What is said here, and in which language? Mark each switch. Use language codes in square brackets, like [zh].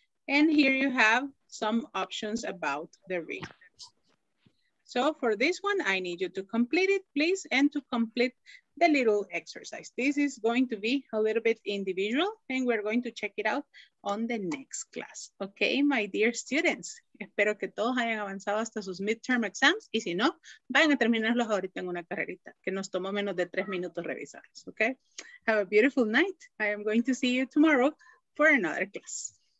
[en] And here you have some options about the reading. So for this one, I need you to complete it, please, and to complete the little exercise. This is going to be a little bit individual and we're going to check it out on the next class. Okay, my dear students, [es] espero que todos hayan avanzado hasta sus midterm exams y si no, vayan a terminarlos ahorita en una carrerita que nos tomó menos de 3 minutos revisarlos, okay? [en] Have a beautiful night. I am going to see you tomorrow for another class.